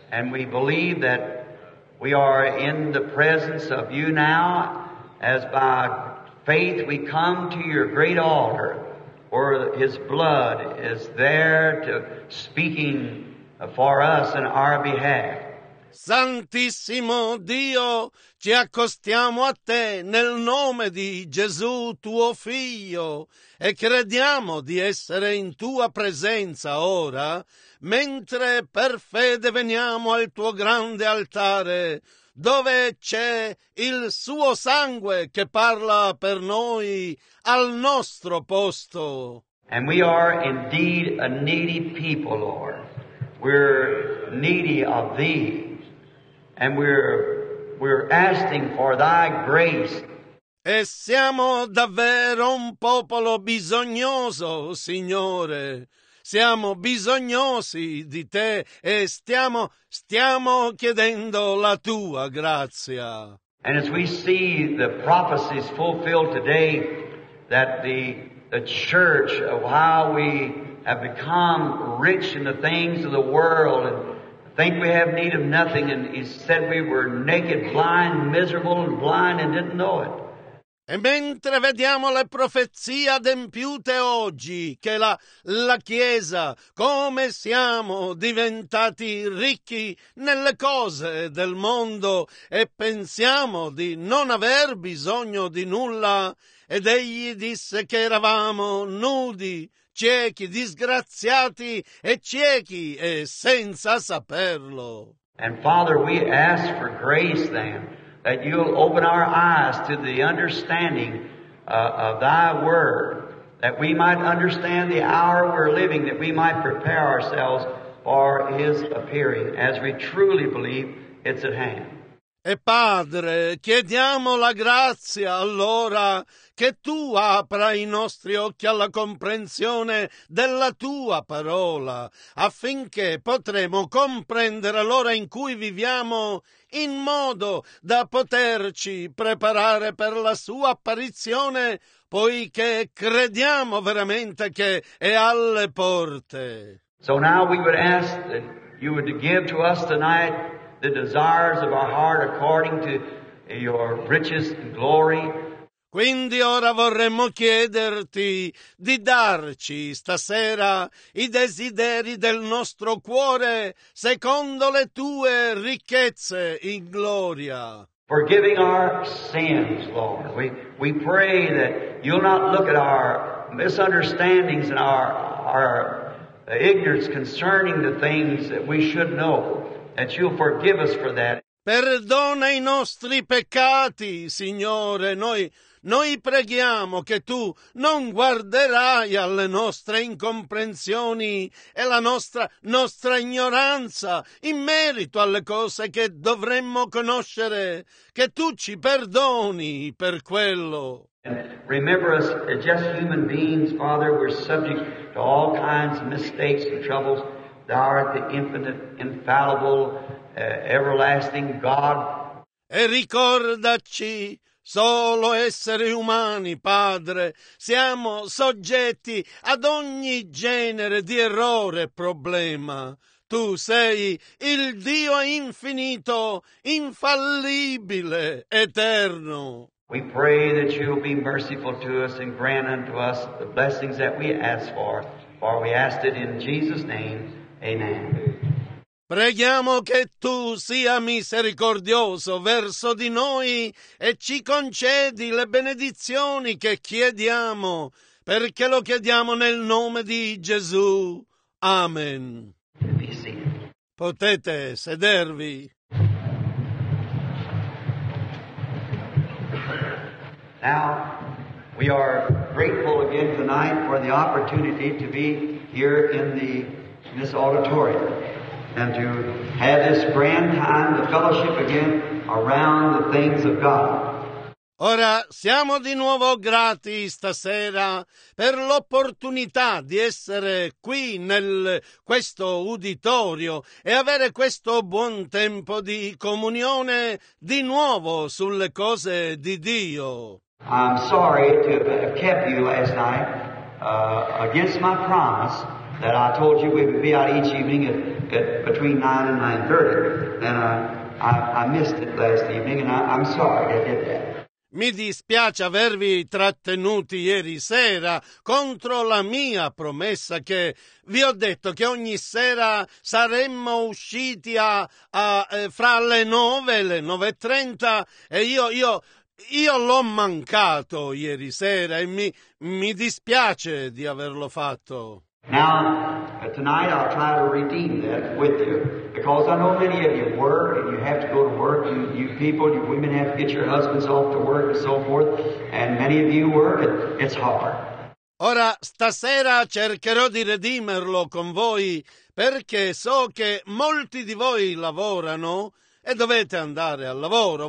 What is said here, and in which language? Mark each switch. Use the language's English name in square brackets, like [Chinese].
[English] And we believe that we are in the presence of you now, as by faith we come to your great altar. For his blood is there to speaking for us in our behalf. [Italian] Santissimo Dio, ci accostiamo a te nel nome di Gesù tuo figlio e crediamo di essere in tua presenza ora, mentre per fede veniamo al tuo grande altare, dove c'è il suo sangue che parla per noi al nostro posto. [English] And we are indeed a needy people, Lord. We're needy of thee. And we're asking for thy grace. [Italian] E siamo davvero un popolo bisognoso, Signore. Siamo bisognosi di te e stiamo chiedendo la tua grazia. [English] And as we see the prophecies fulfilled today, that the church, of how we have become rich in the things of the world and think we have need of nothing, and he said we were naked, blind, miserable, and blind, and didn't know it. [Italian] E mentre vediamo le profezie adempiute oggi, che la Chiesa, come siamo diventati ricchi nelle cose del mondo e pensiamo di non aver bisogno di nulla, ed egli disse che eravamo nudi, ciechi, disgraziati e ciechi e senza saperlo. [English] And Father, we ask for grace then, that you'll open our eyes to the understanding of thy word, that we might understand the hour we're living, that we might prepare ourselves for his appearing, as we truly believe it's at hand. [Italian] E Padre, chiediamo la grazia allora che tu apra i nostri occhi alla comprensione della tua parola, affinché potremo comprendere l'ora in cui viviamo in modo da poterci preparare per la sua apparizione, poiché crediamo veramente che è alle porte. [English] So now we would ask that you would give to us tonight the desires of our heart according to your riches and glory. [Italian] Quindi ora vorremmo chiederti di darci stasera i desideri del nostro cuore secondo le tue ricchezze in gloria. [English] Forgiving our sins, Lord. We pray that you'll not look at our misunderstandings and our ignorance concerning the things that we should know, that you'll forgive us for that. [Italian] Perdona i nostri peccati, Signore. Noi preghiamo che tu non guarderai alle nostre incomprensioni e la nostra ignoranza in merito alle cose che dovremmo conoscere, che tu ci perdoni per quello. [English] And remember us as just human beings, Father, we're subject to all kinds of mistakes and troubles. Thou art the infinite, infallible, everlasting God. [Italian] E ricordaci, solo esseri umani, Padre, siamo soggetti ad ogni genere di errore e problema. Tu sei il Dio infinito, infallibile, eterno. [English] We pray that you'll be merciful to us and grant unto us the blessings that we ask for. For we ask it in Jesus' name. Amen. [Italian] Preghiamo che tu sia misericordioso verso di noi e ci concedi le benedizioni che chiediamo, perché lo chiediamo nel nome di Gesù. Amen. Potete sedervi. [English] Now, we are grateful again tonight for the opportunity to be here in this auditorium. And to have this grand time of fellowship again around the things of God. [Italian] Ora siamo di nuovo grati stasera per l'opportunità di essere qui nel questo uditorio e avere questo buon tempo di comunione di nuovo sulle cose di Dio. [English] I'm sorry to have kept you last night against my promise that I told you we would be out each evening at between 9 and 9:30. And I missed it last evening, and I'm sorry I did that. [Italian] Mi dispiace avervi trattenuti ieri sera contro la mia promessa, che vi ho detto che ogni sera saremmo usciti fra le 9 e le 9:30, e io l'ho mancato ieri sera e mi dispiace di averlo fatto. [English] Now, tonight I'll try to redeem that with you, because I know many of you work and you have to go to work, and you people, you women have to get your husbands off to work and so forth, and many of you work and it's hard. [Italian] Ora, stasera cercherò di redimerlo con voi, perché so che molti di voi lavorano e dovete andare al lavoro.